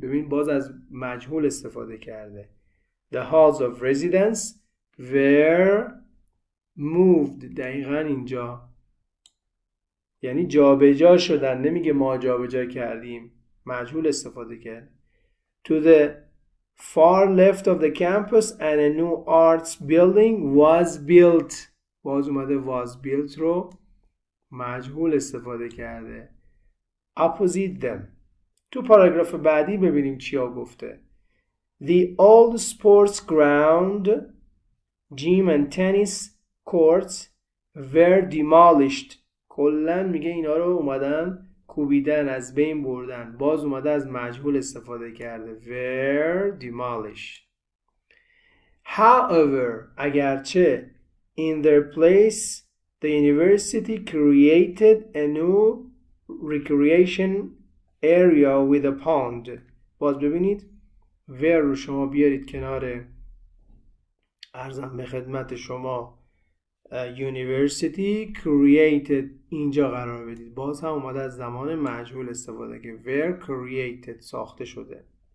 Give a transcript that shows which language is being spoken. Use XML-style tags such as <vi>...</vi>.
<fa>ببین باز از مجهول استفاده کرده.</fa> <en>The halls of residence were moved.</en> <fa>دقیقاً اینجا یعنی جابجا شدن، نمیگه ما جابجا کردیم، مجهول استفاده کرد.</fa> <en>To the far left of the campus and a new arts building was built.</en> <fa>باز اومده</fa> <en>was built</en> <fa>رو مجهول استفاده کرده.</fa> <en>Opposite them.</en> <fa>تو پاراگراف بعدی ببینیم چیا گفته.</fa> <en>The old sports ground, gym and tennis courts were demolished.</en> <fa>کلن میگه اینا رو اومدن کوبیدن، از بین بردن. باز اومده از مجهول استفاده کرده.</fa> <en>Were demolished. However,</en> <fa>اگرچه</fa> <en>in their place, the university created a new recreation area with a pond.</en> <fa>باز ببینید where رو شما بیارید کنار عرضم به خدمت شما</fa> <en>university created</en> <fa>اینجا قرار بدید. باز هم اومده از زمان مجهول استفاده که</fa> <en>where created</en> <fa>ساخته شده.</fa>